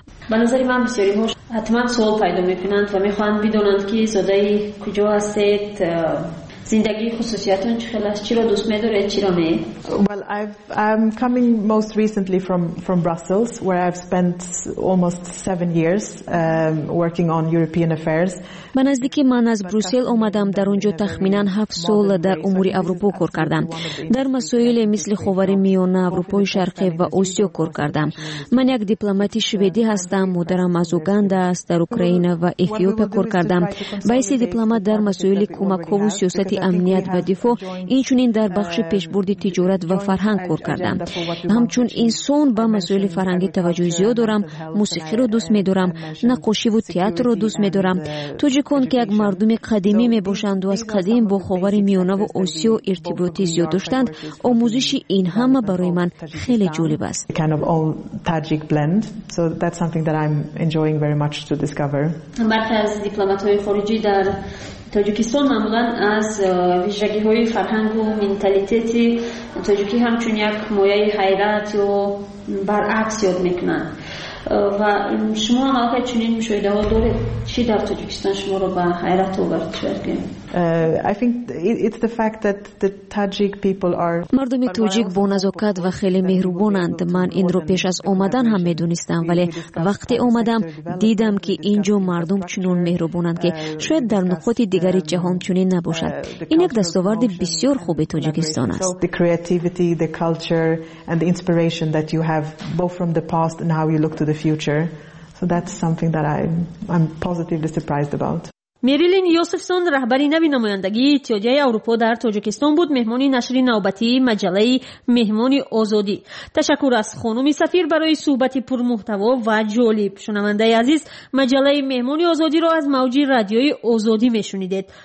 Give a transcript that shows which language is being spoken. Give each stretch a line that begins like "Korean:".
Persian: به نظر من بسیاری ها حتما سوال پیدا میکنند و میخواهند بدانند که زاده کجا هستید، زندگی خصوصیتون چی است، چی را دوست میدارید، چی را نه.
English: Well, I'm coming most recently from Brussels, where I've spent almost 7 years working on European affairs.
Persian: من از دیکی من از بروسل آمدم. در اونجا تخمیناً 7 سال در امور اروپا کار کردم. در مسائل مثل خاورمیانه، اروپای شرقی و آسیا کار کردم. من یک دیپلمات شوئدی هستم. مادرم از اوگاندا است، در اوکراین و اتیوپی کار کردم. بایسی دیپلمات در مسائل کمک و سیاست امنیت و دفاع، اینچنین در بخش پیشبرد تجارت و فرهنگ کار کردم. همچون انسان با مسائل فرهنگی توجه زیاد دارم. موسیقی رو دوست می‌دارم، نقاشی و تئاتر رو دوست می‌دارم. تاجیکان که یک مردم قدیمی می باشند و از قدیم با خاورمیانه و آسیا ارتباطی زیاد داشتند، آموزش این همه برای من خیلی جالب است.
English: Kind of all Tajik blend, so that's something that I'm enjoying very much to discover.
Persian: برخی از دیپلمات‌های خارجی در تاجیکستان معمولا از ویژگی‌های فرهنگ و منتالیتی تاجیکی همچون یک مایه حیرت و برعکس یاد می‌کنند. و شما هم آقای چنین مشاهده ها دارید؟ چی در تاجیکستان شما رو به حیرت آورد؟ شرکیم
English: I think it's the fact that the Tajik people are
Persian: مردم توجیک با نزاکت و خیلی مهربانند. من این رو پیش از آمدن هم میدونستم، ولی وقتی آمدم دیدم که اینجا مردم چنون مهربانند که شاید در نقاط دیگری جهان چنین نباشد. این یک دستاورد بسیار خوب تاجیکستان است.
English: The creativity, the culture and the inspiration that you have both from the past and how you look to the future. So that's something that I'm positively surprised about.
Persian: میریلین یوسفسون رهبری نوی نمایندگی اتحادیه اروپا در تاجیکستان بود، مهمانی نشری نوبتی مجله مهمانی آزادی. تشکر از خانم سفیر برای صحبت پرمحتوا و جالب. شنونده عزیز، مجله مهمانی آزادی را از موج رادیوی آزادی میشنیدید.